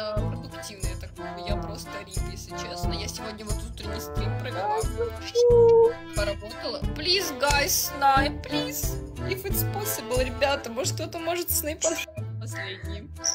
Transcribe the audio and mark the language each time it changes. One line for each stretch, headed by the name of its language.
Russian: продуктивно, я так думаю, я просто рип, если честно. Я сегодня вот утренний стрим провела. Поработала.
English: Please, guys, snipe, please. If it's possible,
Russian: ребята, может, кто-то может снайпать последний.